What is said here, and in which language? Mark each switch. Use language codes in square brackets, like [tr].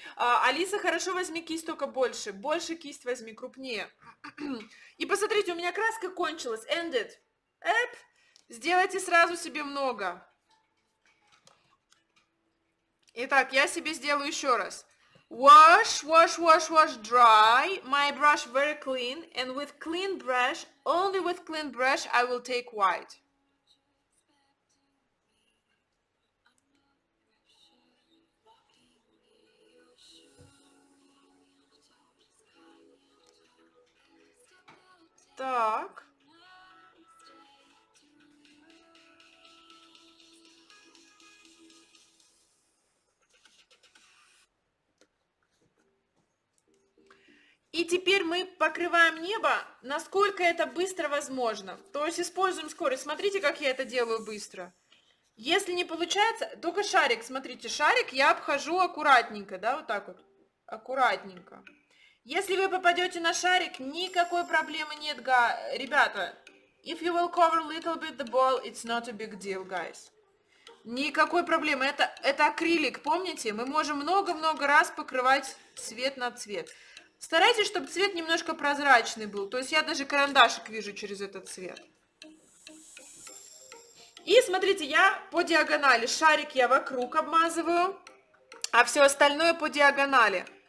[ru] Алиса, хорошо, возьми кисть только больше. Больше кисть возьми, крупнее. И посмотрите, у меня краска кончилась. [en] Ended. Эп. [ru] Сделайте сразу себе много. Итак, я себе сделаю еще раз. [en] Wash, wash, wash, wash dry. My brush very clean. And with clean brush, only with clean brush, I will take white. [ru] Так. И теперь мы покрываем небо, насколько это быстро возможно. То есть используем скорость. Смотрите, как я это делаю быстро. Если не получается, только шарик, смотрите, шарик я обхожу аккуратненько, да, вот так вот, аккуратненько. Если вы попадете на шарик, никакой проблемы нет, ребята. [en] If you will cover a little bit the ball, it's not a big deal, guys. [ru] Никакой проблемы, это акрилик, помните? Мы можем много-много раз покрывать цвет на цвет. Старайтесь, чтобы цвет немножко прозрачный был. То есть я даже карандашик вижу через этот цвет. И смотрите, я по диагонали. Шарик я вокруг обмазываю, а все остальное по диагонали.